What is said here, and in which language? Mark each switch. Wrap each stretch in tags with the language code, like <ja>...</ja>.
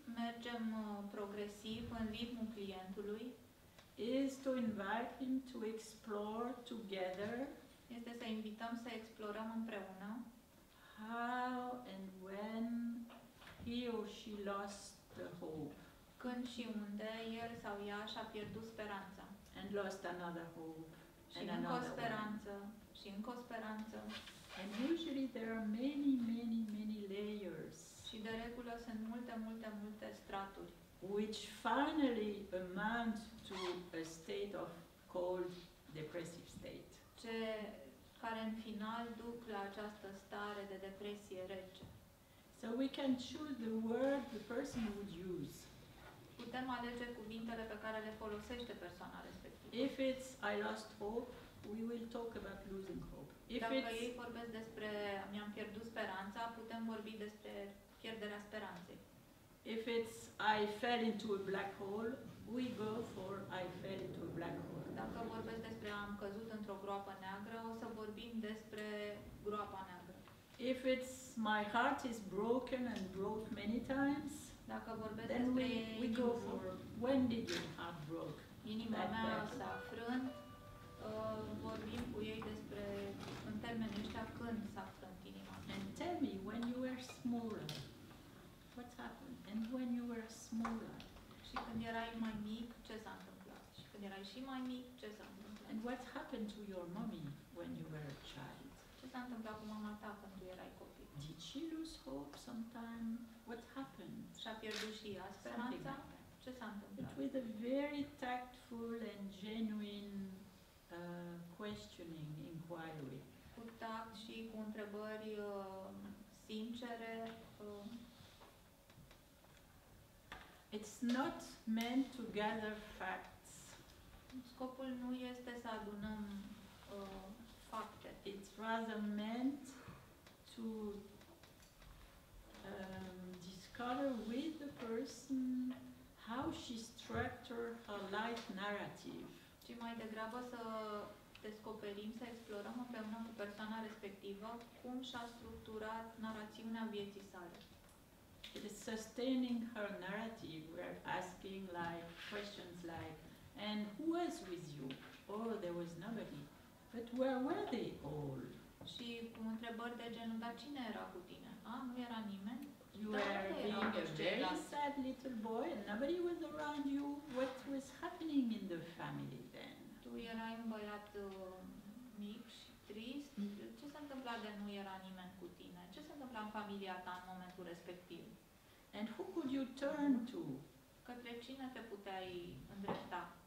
<ro>mergem progresiv în ritmul clientului,</ro> <en>is to invite him to explore together,</en> <ro>este să invităm să explorăm împreună,</ro> <en>how and when he or she lost the hope,</en> <ro>când și unde el sau ea și-a pierdut speranța,</ro> <en>and lost another hope,</en> <ro>și încă o speranță, și încă o speranță.</ro> <en>And usually there are many, many, many layers.</en> <ro>Și de regulă sunt multe, multe, multe straturi.</ro> <en>Which finally amount to a state of cold depressive state.</en> <ro>Ce care în final duc la această stare de depresie rece.</ro> <en>So we can choose the word the person would use.</en> <ro>Putem alege cuvintele pe care le folosește persoana respectivă.</ro> <en>If it's I lost hope, we will talk about losing hope.</en> <ro>Dacă ei vorbesc despre mi-am pierdut speranța, putem vorbi despre pierderea speranței.</ro> <en>If it's I fell into a black hole, we go for I fell into a black hole.</en> <ro>Dacă vorbesc despre am căzut într-o groapă neagră, o să vorbim despre groapa neagră.</ro> <en>If it's my heart is broken and broke many times,</en> <ro>dacă vorbesc</ro> <en>then</en> <ro>despre</ro> <en>we go for when did your heart broke?</en> <ro>Inima mea s-a frânt, vorbim cu ei despre în termeni ăștia când s-a frânt inima.</ro> <en>And tell me when you were smaller. What happened? And when you were smaller.</en> <ro>Și când erai mai mic, ce s-a întâmplat? Și când erai și mai mic, ce s-a întâmplat?</ro> <en>And what happened to your mommy when you were a child?</en> <ro>Ce s-a întâmplat cu mama ta când tu erai copil?</ro> <en>Did she lose hope sometime? What happened?</en> <ro>Și-a pierdut și ea speranța? Ce s-a întâmplat?</ro> <en>But with a very tactful and genuine questioning, inquiry.</en> <ro>Cu tact și cu întrebări sincere.</ro> <en>It's not meant to gather facts.</en> <ro>Scopul nu este să adunăm fapte.</ro> <en>It's rather meant to discover with the person how she structured her life narrative.</en> <ro>Ci mai degrabă să descoperim, să explorăm împreună cu persoana respectivă cum și-a structurat narațiunea vieții sale.</ro> <en>It is sustaining her narrative. We are asking like questions like, and who was with you? Oh, there was nobody. But where were they all?</en> <ro>Și cu întrebări de genul, dar cine era cu tine? Ah, nu era nimeni.</ro> <en>You were being a very sad little boy and nobody was around you. What was happening in the family then?</en> <ro>Tu erai un băiat mic și trist. Ce s-a întâmplat de nu era nimeni cu tine? Ce s-a întâmplat în familia ta în momentul respectiv?</ro> <en>And who could you turn to?</en> <ro>Către cine te puteai îndrepta?</ro>